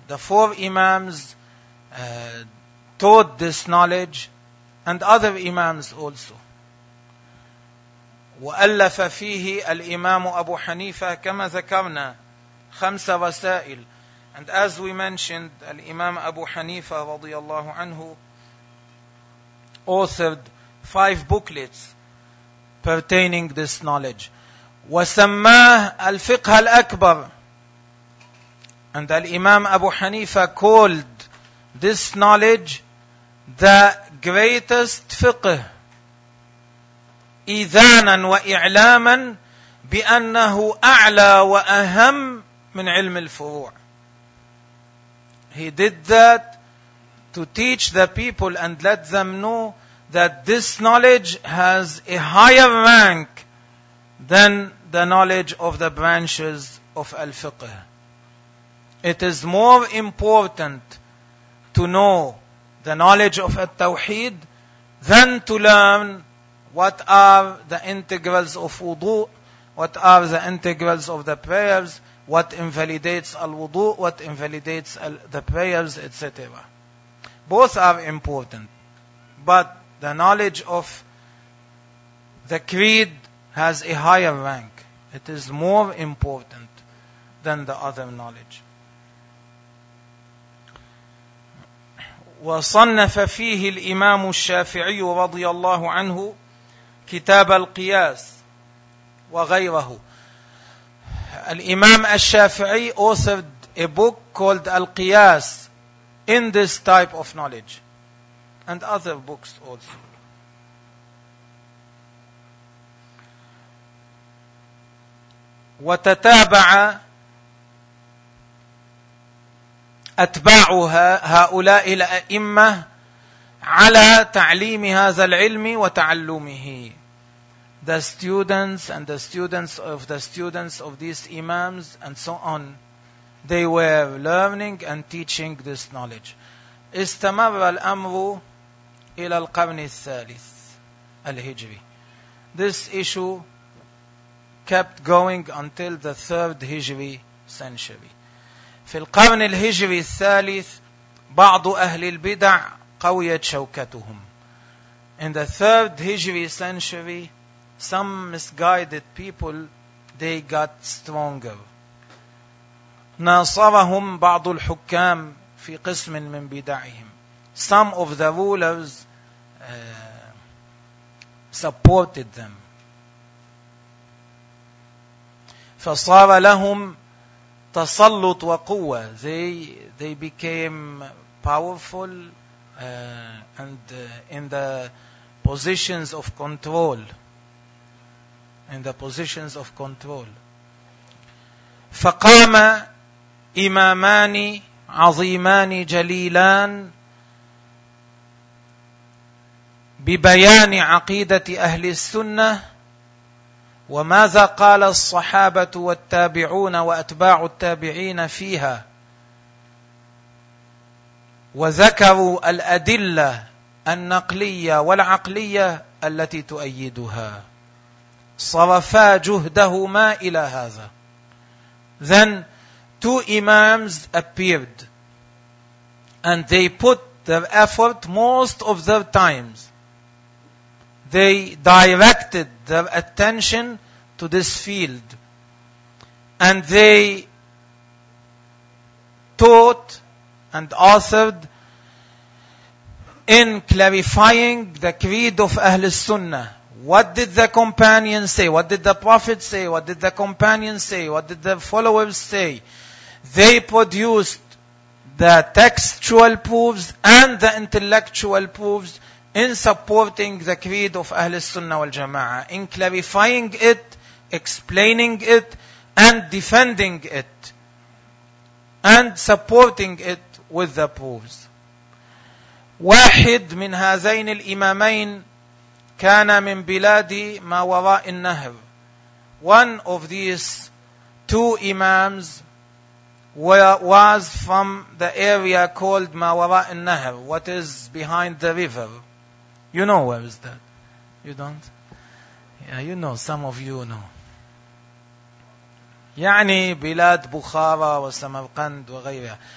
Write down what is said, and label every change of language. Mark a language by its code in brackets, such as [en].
[en] The four imams taught this knowledge and other imams also. [ar] وألف فيه الإمام أبو حنيفة كما ذكرنا 5 رسائل. [en] And as we mentioned, الإمام أبو حنيفة [ar] رضي الله عنه [en] authored 5 booklets pertaining this knowledge. [ar] وسماه الفقه الأكبر. [en] And الإمام أبو حنيفة called this knowledge the greatest fiqh. [ar] إذانا وإعلاما بأنه أعلى وأهم من علم الفروع. [en] He did that to teach the people and let them know that this knowledge has a higher rank than the knowledge of the branches of al-fiqh. It is more important to know the knowledge of al-tawheed than to learn what are the integrals of wudu, what are the integrals of the prayers, what invalidates al-wudu, what invalidates the prayers, etc. Both are important. But the knowledge of the creed has a higher rank. It is more important than the other knowledge. [ar] وصنف فيه الإمام الشافعي رضي الله عنه كتاب القياس وغيره. [en] الإمام الشافعي authored a book called Al-Qiyas in this type of knowledge and other books also. [ar] وتتابع أتباع هؤلاء الأئمة على تعليم هذا العلم وتعلمه. [en] The students and the students of the students of these imams and so on, they were learning and teaching this knowledge. [ar] استمر الأمر إلى القرن الثالث الهجري. [en] This issue kept going until the third Hijri century. [ar] في القرن الهجري الثالث بعض أهل البدع قويت شوكتهم. [en] In the third Hijri century, some misguided people, they got stronger. [ar] ناصرهم بعض الحكام في قسم من بدعهم. [en] Some of the rulers supported them. [ar] فصار لهم تسلط وقوة. [en] They became powerful and in the positions of control. In the positions of control. [ar] فقام إمامان عظيمان جليلان ببيان عقيدة أهل السنة. وماذا قال الصحابة والتابعون وأتباع التابعين فيها؟ وذكروا الأدلة النقلية والعقلية التي تؤيدها. صرفا جهدهما إلى هذا. [en] Then two imams appeared and they put their effort most of their times. They directed their attention to this field and they taught and authored in clarifying the creed of Ahl Sunnah. What did the companions say? What did the Prophet say? What did the companions say? What did the followers say? They produced the textual proofs and the intellectual proofs in supporting the creed of Ahl Sunnah wal Jama'ah, in clarifying it, explaining it, and defending it, and supporting it with the proofs. [ar] واحد من هذين الإمامين كان من بلادي ما وراء النهر. [en] One of these two imams was from the area called ما وراء النهر, what is behind the river. You know where is that? You don't? Yeah, you know, some of you know. [ar] يعني بلاد بخارى وسمرقند وغيرها.